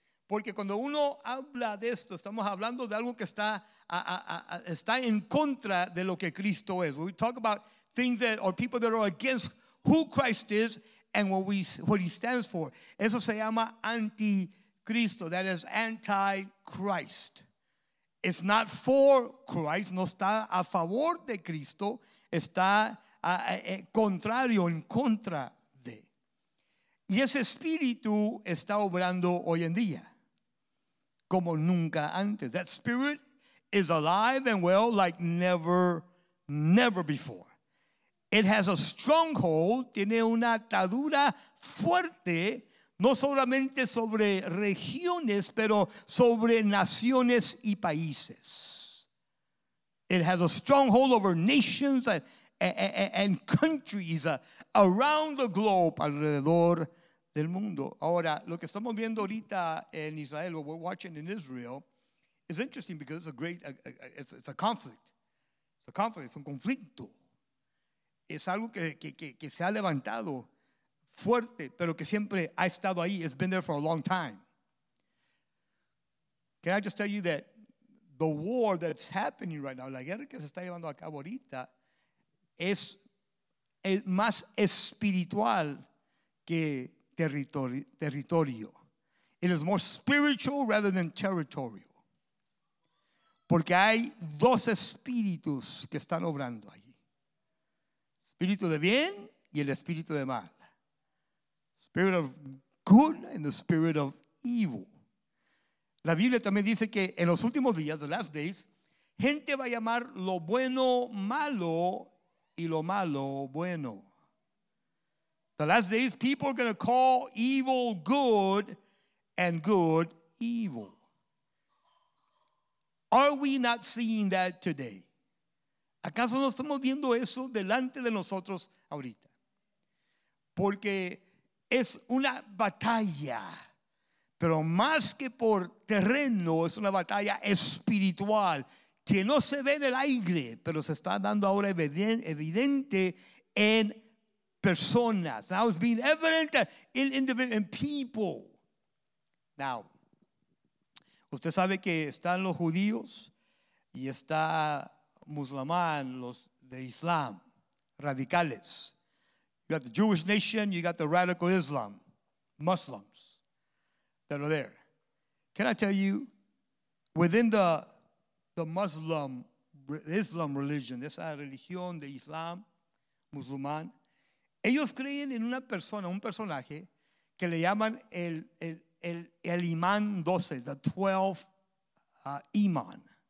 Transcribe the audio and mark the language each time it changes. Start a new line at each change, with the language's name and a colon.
Spanish: Porque cuando uno habla de esto, estamos hablando de algo que está está en contra de lo que Cristo es.
English: We talk about things that or people that are against who Christ is and what he stands for.
Spanish: Eso se llama anticristo.
English: That is anti-Christ. It's not for Christ.
Spanish: No está a favor de Cristo. Está contrario, en contra de. Y ese espíritu está obrando hoy en día. Como nunca antes.
English: That spirit is alive and well like never, never before. It has a stronghold,
Spanish: tiene una atadura fuerte, no solamente sobre regiones, pero sobre naciones y países.
English: It has a stronghold over nations and countries around the globe,
Spanish: alrededor del mundo. Ahora, lo que estamos viendo ahorita en Israel,
English: what we're watching in Israel, is interesting because it's a great, it's a conflict. It's a conflict, it's
Spanish: un conflicto. Es algo que se ha levantado fuerte, pero que siempre ha estado ahí.
English: It's been there for a long time. Can I just tell you that the war that's happening right now,
Spanish: la guerra que se está llevando a cabo ahorita, es más espiritual que territorio.
English: It is more spiritual rather than territorial.
Spanish: Porque hay dos espíritus que están obrando allí. Espíritu de bien y el espíritu de mal.
English: Spirit of good and the spirit of evil.
Spanish: La Biblia también dice que en los últimos días,
English: the last days,
Spanish: gente va a llamar lo bueno malo y lo malo bueno.
English: The last days, people are going to call evil good and good evil. Are we not seeing that today?
Spanish: ¿Acaso no estamos viendo eso delante de nosotros ahorita? Porque es una batalla, pero más que por terreno, es una batalla espiritual que no se ve en el aire, pero se está dando ahora evidente en personas.
English: Now it's being evident in people.
Spanish: Now, usted sabe que están los judíos y está musulmán, los de Islam, radicales.
English: You got the Jewish nation, you got the radical Islam, Muslims that are there. Can I tell you, within the Muslim, Islam religion,
Spanish: esa religión de Islam, musulmán, ellos creen en una persona, un personaje que le llaman el imán 12,
English: the 12th imán.